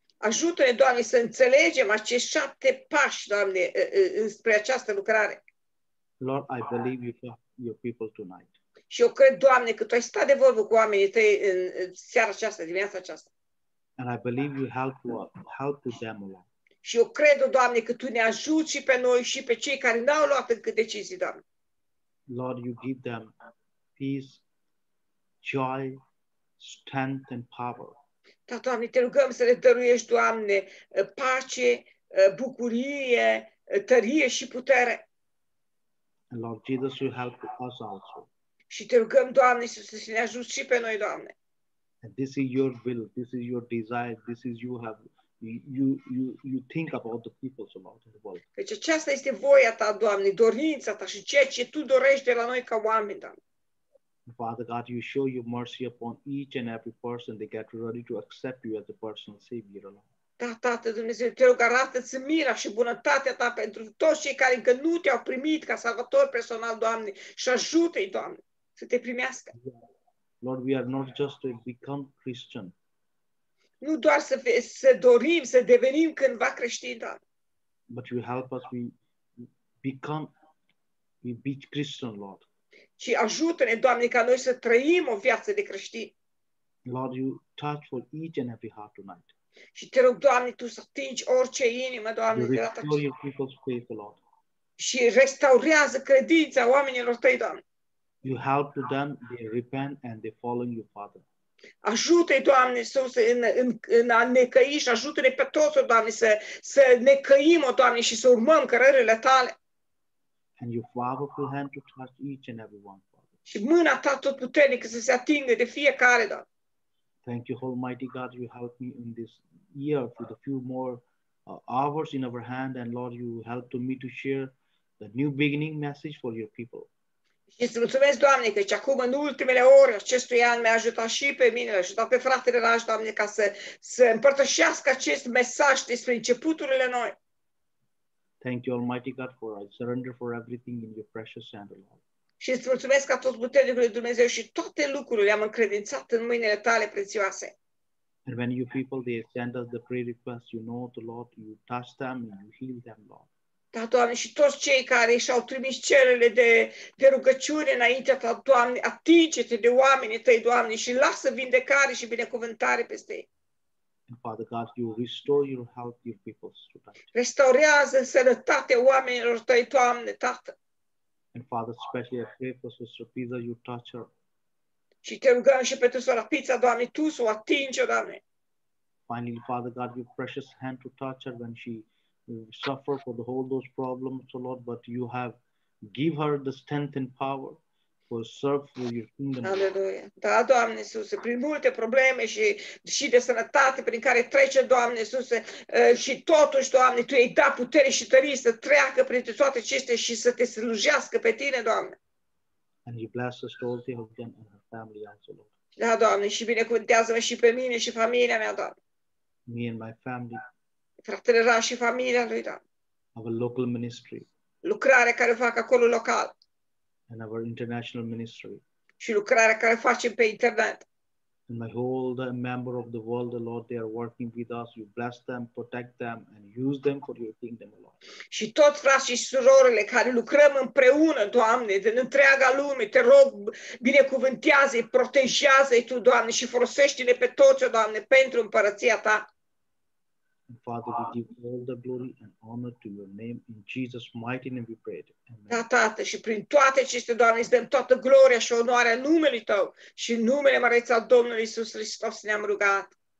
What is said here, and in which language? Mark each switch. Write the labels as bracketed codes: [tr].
[ro] Ajută-ne, Doamne, să înțelegem acești șapte pași, Doamne, spre această lucrare. [en] Lord, I believe you for your people tonight. [ro] Și eu cred, Doamne, că Tu ai stat de vorbă cu oamenii Tăi în seara aceasta, dimineața aceasta. [en] And I believe you help help them, Lord. [ro] Și eu cred, Doamne, că Tu ne ajuți și pe noi și pe cei care n-au luat încă decizii, Doamne. [en] Lord, you give them peace, joy, strength and power. [ro] Da, Doamne, Te rugăm să le dăruiești, Doamne, pace, bucurie, tărie și putere. [en] And Lord Jesus, you help us also. [ro] Și Te rugăm, Doamne, să ne ajuți și pe noi, Doamne. [en] And this is your will, this is your desire, this is you have you think about the people so much in the world. [ro] Deci aceasta este voia Ta, Doamne, dorința Ta și ceea ce Tu dorești de la noi ca oameni, Doamne. [en] Father God, you show your mercy upon each and every person they get ready to accept you as the personal savior alone. [ro] Da, Tată Dumnezeu, Te rog, arată-ți mila și bunătatea Ta pentru toți cei care încă nu Te-au primit ca salvator personal, Doamne, și ajută-i, Doamne, să Te primească. [en] Lord, we are not just to become Christian. [ro] Nu doar să dorim să devenim cândva creștini, Doamne. [en] But you help us, we be Christian, Lord. [ro] Și ajută-ne, Doamne, ca noi să trăim o viață de creștini. [en] Lord, you touch for each and every heart tonight. [ro] Și Te rog, Doamne, Tu să atingi orice inimă, Doamne, de la Tău. [en] Your people's faith, Lord. [ro] Și restaurează credința oamenilor Tăi, Doamne. [en] You help them, they repent and they follow you, Father. [ro] Ajută-i, Doamne, Iisus, în a necăi și ajută-ne pe toți, Doamne, să necăim, o Doamne, și să urmăm cărările Tale. [en] And your powerful hand to touch each and every one, Father. [ro] Și mâna Ta tot puternică să se atingă de fiecare, Doamne. [en] Thank you, Almighty God, you help me in this year with a few more hours in our hand, and Lord, you help to me to share the new beginning message for your people. [ro] Și îți mulțumesc, Doamne, că acum în ultimele ore acestui an mi-a ajutat și pe mine, l-a ajutat pe fratele Raj, Doamne, ca să împărtășească acest mesaj despre începuturile noi. [en] Thank you, Almighty God, for I surrender for everything in your precious hand, Lord. [ro] Și îți mulțumesc ca tot puternicului Dumnezeu și toate lucrurile am încredințat în mâinile tale prețioase. [en] And when you people, they send us the prayer request, you know, the Lord, you touch them and you heal them, Lord. [ro] Da, Doamne, și toți cei care și-au trimis cerele de rugăciune înaintea ta, Doamne, atinge-te de oamenii tăi, Doamne, și lasă vindecare și binecuvântare peste ei. [en] And Father God, you restore your health, your people. [ro] Restaurează sănătatea oamenilor tăi, Doamne, Tată. [en] And Father, especially I pray for Sister Pisa, you touch her. [ro] Și te rugăm și pentru sora Pisa, Doamne, tu să o atingi, Doamne. [en] Finally, Father God, your precious hand to touch her when she suffer for the whole those problems, so Lord, but you have give her the strength and power to serve for your kingdom. Hallelujah. [ro] Da, Doamne Iisuse, prin multe probleme și de sănătate prin care trece, Doamne Iisuse, și totuși, Doamne, tu ai dat putere și tărie să treacă prin toate acestea și să te slujească pe tine, Doamne. [en] And you bless us all the of them and her family also, Lord. [ro] Da, Doamne, și binecuvântează-mă și pe mine și familia mea, Doamne. [en] Me and my family. [ro] Fratele Ra și familia lui, Doamne. [en] Our local ministry. [ro] Lucrarea care fac acolo local. [en] And our international ministry. [ro] Și lucrarea care facem pe internet. [en] And my whole the member of the world, the Lord, they are working with us. You bless them, protect them, and use them for your kingdom, Lord. [ro] Și toți frații și surorile care lucrăm împreună, Doamne, din întreaga lume, te rog, binecuvântează-i, protejează-i tu, Doamne, și folosește-ne pe toți, Doamne, pentru împărăția ta. [en] And Father, we give all the glory and honor to your name in Jesus' mighty name we pray. Amen. [ro] Da, Tată, și prin toate aceste, Doamne, îți dăm toată gloria și onoarea numelui Tău și numele măreț al Domnului Iisus Hristos ne-am rugat.